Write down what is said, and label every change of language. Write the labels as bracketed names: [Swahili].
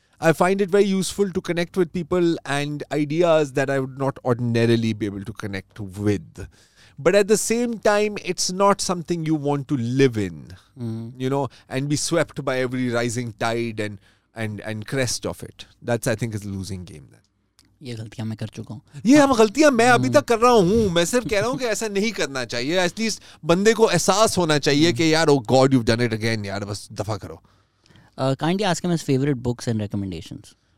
[English] I find it very useful to connect with people and ideas that I would not ordinarily be able to connect with. But at the same time, it's not something you want to live in. Mm. You know, and be swept by every rising tide and crest of it. That's, I think, is a losing game then. [Hindi] ये गलतियाँ मैं कर चुका हूँ. ये हम गलतियाँ मैं अभी तक कर रहा हूँ. मैं सिर्फ कह रहा हूँ कि ऐसा नहीं करना चाहिए. एटलीस्ट बंदे को एहसास होना चाहिए कि यार [English] oh God you've done it again [Hindi] यार बस दफा करो. [English] Kindly ask him his favorite books and recommendations.